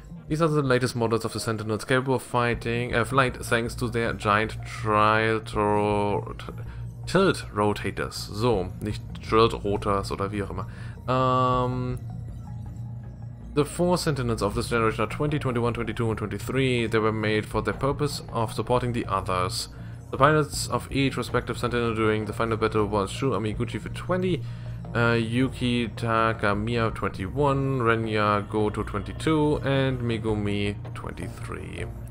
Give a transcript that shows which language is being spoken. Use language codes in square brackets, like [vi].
[en] These are the latest models of the Sentinels, capable of fighting, flight thanks to their giant tilt rotators. [de] So, nicht tilt rotors oder wie auch immer. [en] The four Sentinels of this generation are 20, 21, 22 and 23. They were made for the purpose of supporting the others. The pilots of each respective Sentinel during the final battle was Shu Amiguchi for 20, Yuki Takamiya 21, Renya Goto 22, and Megumi 23.